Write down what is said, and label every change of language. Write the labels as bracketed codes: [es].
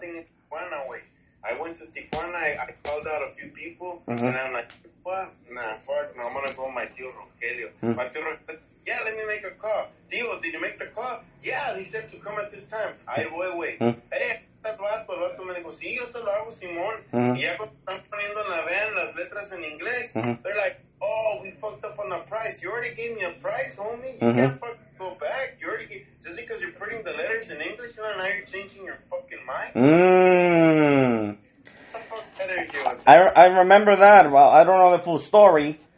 [en] thing in Tijuana, wait. I went to Tijuana. I called out a few people. Mm-hmm. And I'm like, what? Nah, fuck. No, I'm going to go with my tio Rogelio. Mm-hmm. My tio Rogelio. Yeah, let me make a call. Tio, did you make the call? Yeah, he said to come at this time. I wait. Mm-hmm. Hey, that [es] vato, me dijo, sí, yo se lo hago, Simón. Mm-hmm. Y ya cuando están poniendo en la van las letras en inglés, mm-hmm. [en] they're like, oh, we fucked up on the price. You already gave me a price, homie. You mm-hmm. can't fucking go back. You already gave, just because you're putting the letters in English, you know, now you're changing your fucking mind. I remember that. Well, I don't know the full story.